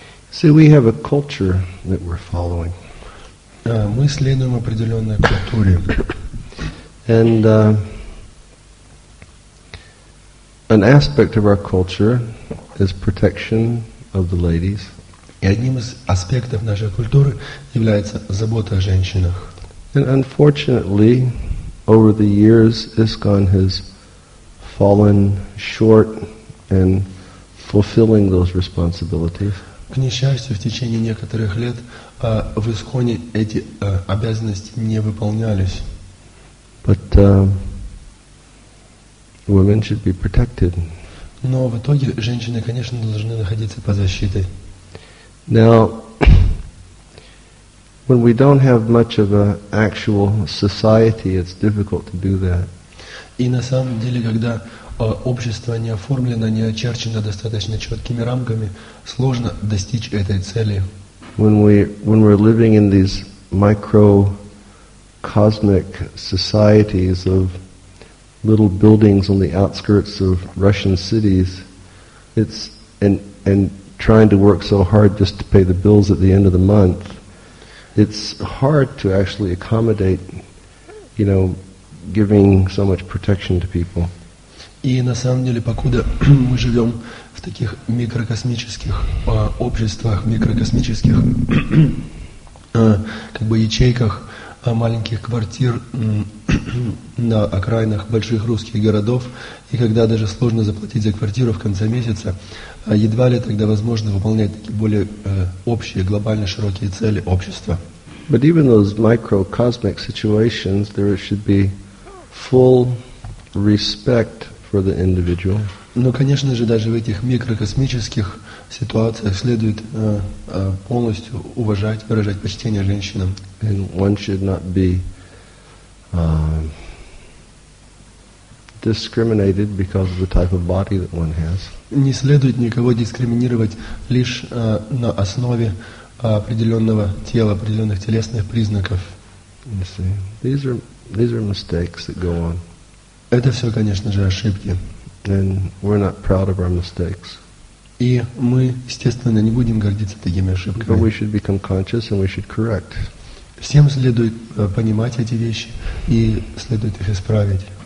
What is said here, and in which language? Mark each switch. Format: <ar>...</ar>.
<en>See, we have a culture that we're following.</en> <ru>Мы следуем определенной культуре.</ru> <en>And an aspect of our culture is protection of the ladies.</en> <ru>И одним из аспектов нашей культуры является забота о женщинах.</ru> <en>And unfortunately, over the years, ISKCON has fallen short in fulfilling those responsibilities.</en> <ru>К несчастью, в течение некоторых лет в Исконе эти обязанности не выполнялись.</ru> <en>But, women should be protected.</en> <ru>Но в итоге женщины, конечно, должны находиться под защитой.</ru> <en>Now, when we don't have much of an actual society, it's difficult to do that.</en> <ru>И на самом деле, когда общество не оформлено, не очерчено достаточно четкими рамками, сложно достичь этой цели.</ru> <en>When we're living in these microcosmic societies of little buildings on the outskirts of Russian cities, it's and trying to work so hard just to pay the bills at the end of the month, it's hard to actually accommodate, you know, giving so much protection to people.</en> <ru>И на самом деле, покуда мы живем в таких микрокосмических обществах, микрокосмических как бы ячейках маленьких квартир на окраинах больших русских городов, и когда даже сложно заплатить за квартиру в конце месяца, едва ли тогда возможно выполнять такие более общие, глобально широкие цели общества.</ru> <en>But even those microcosmic situations, there should be full respect for the individual.</en> <ru>Но, конечно же, даже в этих микрокосмических ситуациях следует полностью уважать, выражать почтение женщинам.</ru> <en>And one should not be discriminated because of the type of body that one has.</en> <ru>Не следует никого дискриминировать лишь на основе определенного тела, определенных телесных признаков.</ru> <en>You see, these are mistakes that go on.</en> <ru>Это все, конечно же, ошибки.</ru> <en>And we're not proud of our mistakes.</en> <ru>И мы, естественно, не будем гордиться такими ошибками.</ru> <en>But we should become conscious and we should correct.</en> <ru>Всем следует понимать эти вещи и следует их исправить.</ru>